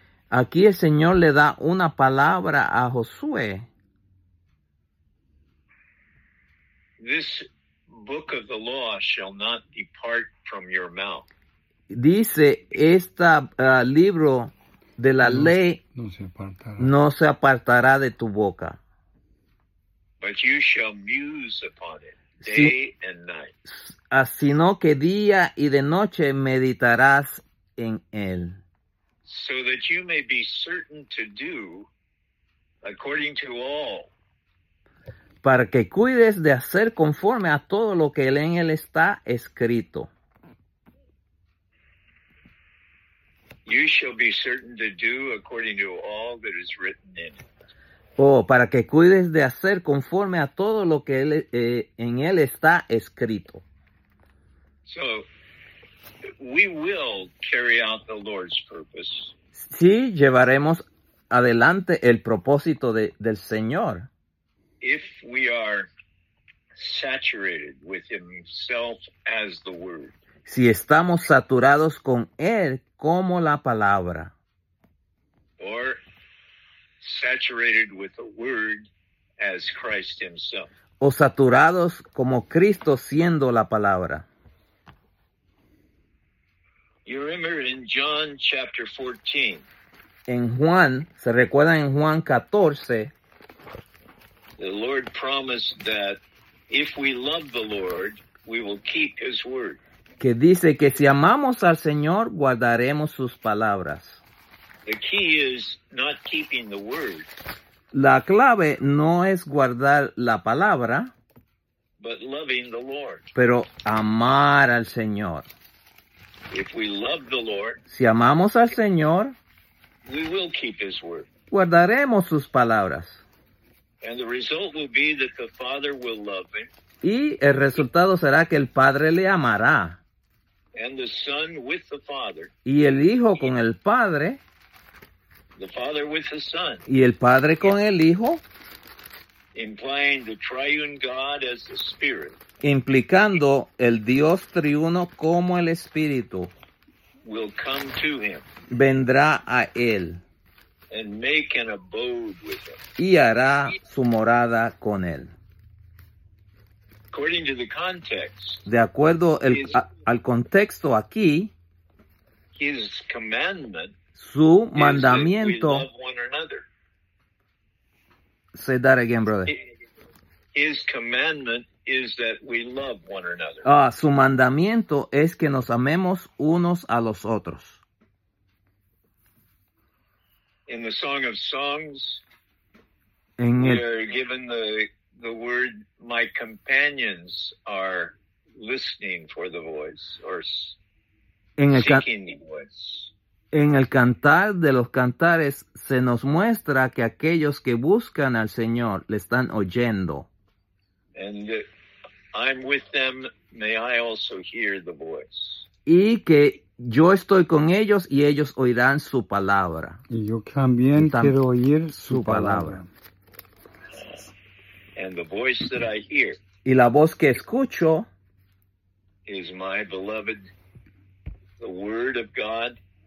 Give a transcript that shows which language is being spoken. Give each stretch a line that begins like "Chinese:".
Spanish: Aquí el Señor le da una palabra a Josué.
English: This book of the law shall not depart from your mouth.
Spanish: Dice, este libro de la ley no se apartará de tu boca.
English: But you shall muse upon it day and night.
Spanish: Sino que día y de noche meditarás en él.
English: So that you may be certain to do according to all.
Spanish: Para que cuides de hacer conforme a todo lo que en él está escrito.
English: You shall be certain to do according to all that is written in it.
Spanish: Oh, para que cuides de hacer conforme a todo lo que en él está escrito.
English: So, we will carry out the Lord's purpose.
Spanish: Sí, llevaremos adelante el propósito del Señor.
English: If we are saturated with himself as the word.
Spanish: Si estamos saturados con él como la palabra.
English: Or saturated with the word as Christ himself.
Spanish: O saturados como Cristo siendo la palabra.
English: You remember in John chapter 14.
Spanish: En Juan, se recuerda en Juan 14.
English: The Lord promised that if we love the Lord, we will keep his word.
Spanish: Que dice que si amamos al Señor, guardaremos sus palabras.
English: The key is not keeping the word.
Spanish: La clave no es guardar la palabra.
English: But loving the Lord.
Spanish: Pero amar al Señor.
English: If we love the Lord,
Spanish: si amamos al Señor,
English: we will keep his word.
Spanish: Guardaremos sus palabras.
English: And the result will be that the Father will love him.
Spanish: Y el resultado será que el Padre le amará.
English: And the Son with the Father.
Spanish: Y el Hijo con el Padre.
English: The Father with the Son.
Spanish: Y el Padre con el Hijo.
English: Implying the triune God as the Spirit.
Spanish: Implicando el Dios triuno como el Espíritu.
English: Will come to him.
Spanish: Vendrá a él.
English: And make an abode with him.
Spanish: Y hará su morada con él.
English: According to the context.
Spanish: De acuerdo al contexto aquí.
English: His commandment.
Spanish: Su mandamiento.
English: Is that we love one another. Say that again, brother. His commandment is that we love one another.
Spanish: Su mandamiento es que nos amemos unos a los otros.
English: In the Song of Songs, we are given the word, my companions are listening for the voice, or seeking the voice.
Spanish: En el Cantar de los Cantares se nos muestra que aquellos que buscan al Señor le están oyendo. And I'm with them, may I also hear the voice. Y que yo estoy con ellos y ellos oirán su palabra. Y yo también quiero oír su palabra.
English: And the voice that I hear.
Spanish: Y la voz que escucho
English: is my beloved, the word of God.